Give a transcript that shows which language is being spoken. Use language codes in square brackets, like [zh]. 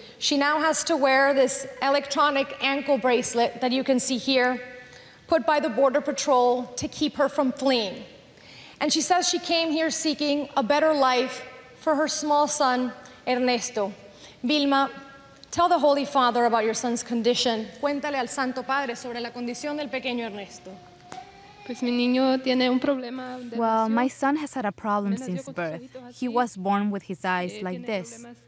[en] She now has to wear this electronic ankle bracelet that you can see here, put by the Border Patrol to keep her from fleeing. And she says she came here seeking a better life for her small son, Ernesto. Vilma, tell the Holy Father about your son's condition. [es] Cuéntale al Santo Padre sobre la condición del pequeño Ernesto. [en] Well, my son has had a problem since birth. He was born with his eyes like this.